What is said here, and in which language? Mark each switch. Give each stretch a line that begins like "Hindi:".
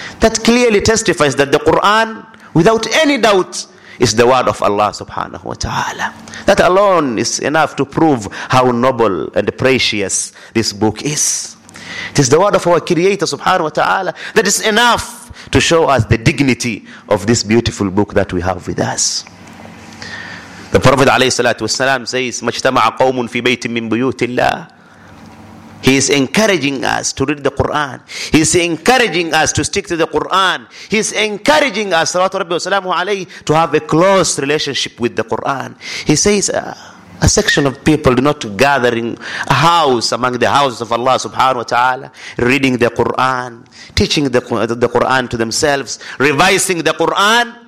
English: That clearly testifies that the Quran, without any doubt, is the word of Allah subhanahu wa ta'ala. That alone is enough to prove how noble and precious this book is. It is the word of our Creator subhanahu wa ta'ala that is enough to show us the dignity of this beautiful book that we have with us.
Arabic: The Prophet alayhi salatu wasalam says, مَجْتَمَعَ قَوْمٌ فِي بَيْتٍ مِّن بُيُوتِ اللَّهِ.
English: He is encouraging us to read the Quran. He is encouraging us to stick to the Quran. He is encouraging us, salatu rabbi wa salamu alayhi, to have a close relationship with the Quran. He says, a section of people do not gather in a house among the houses of Allah subhanahu wa ta'ala, reading the Quran, teaching the Quran to themselves, revising the Quran.